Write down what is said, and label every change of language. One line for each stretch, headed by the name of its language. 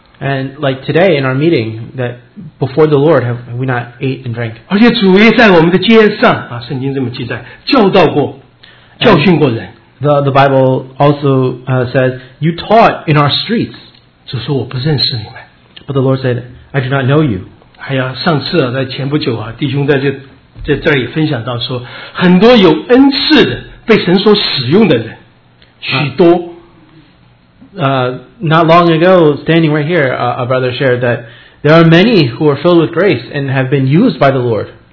English: And like today in our meeting, that before the Lord, have we not ate and drank?
Chinese: 而且主也在我们的街上啊，圣经这么记载，教导过，教训过人。
English: The Bible also says, you taught in our streets.
Chinese: 主说我不认识你们。
English: But the Lord said, I do not know you.
Chinese: 还有上次啊，在前不久啊，弟兄在这儿也分享到说，很多有恩赐的被神所使用的人。许多,
English: not long ago, standing right here, a brother shared that there are many who are filled with grace and have been used by the Lord.